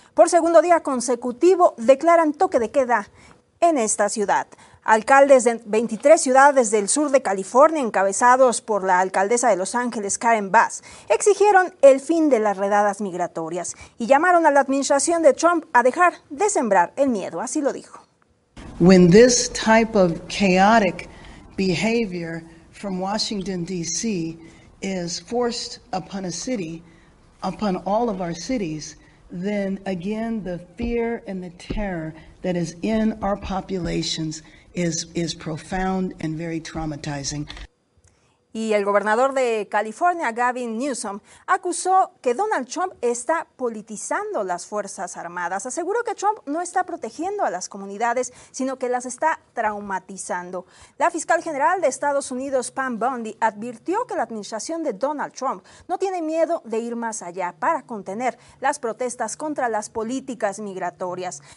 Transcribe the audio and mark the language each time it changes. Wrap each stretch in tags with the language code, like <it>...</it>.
<es>Por segundo día consecutivo, declaran toque de queda en esta ciudad. Alcaldes de 23 ciudades del sur de California, encabezados por la alcaldesa de Los Ángeles, Karen Bass, exigieron el fin de las redadas migratorias y llamaron a la administración de Trump a dejar de sembrar el miedo. Así lo dijo.</es> <en>When this type of chaotic behavior from Washington, D.C. is forced upon a city, upon all of our cities, then again the fear and the terror that is in our populations is profound and very traumatizing.</en> <es>Y el gobernador de California, Gavin Newsom, acusó que Donald Trump está politizando las Fuerzas Armadas. Aseguró que Trump no está protegiendo a las comunidades, sino que las está traumatizando. La fiscal general de Estados Unidos, Pam Bondi, advirtió que la administración de Donald Trump no tiene miedo de ir más allá para contener las protestas contra las políticas migratorias.</es>